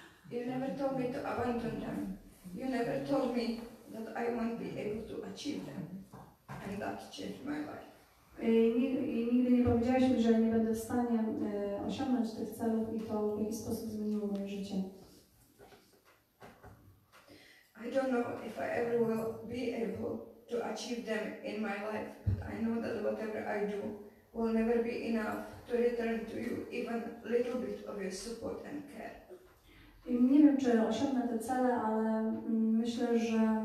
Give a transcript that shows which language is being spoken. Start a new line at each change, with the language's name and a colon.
English: You never told me to abandon them. You never told me that I won't be able to achieve them. And that changed my life.
Polish: I nigdy nie powiedziałeś mi, że nie będę w stanie osiągnąć tych celów i to w jakiś sposób zmieniło moje życie.
English: I don't know if I ever will be able to achieve them in my life, but I know that whatever I do will never be enough to return to you even little bit of your support and care.
Polish: I nie wiem, czy osiągnę te cele, ale myślę, że